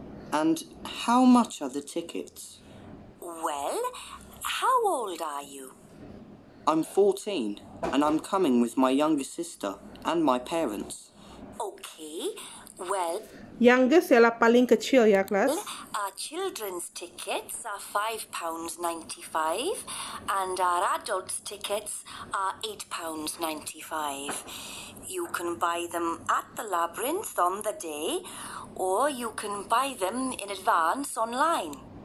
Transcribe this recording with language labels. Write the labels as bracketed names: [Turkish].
[English] And how much are the tickets? Well, how old are you? I'm 14, and I'm coming with my younger sister and my parents. Okay, well... [Malay] Youngest ialah paling kecil ya, kelas. [English] Our children's tickets are £5.95, and our adults' tickets are £8.95. You can buy them at the labyrinth on the day, or you can buy them in advance online.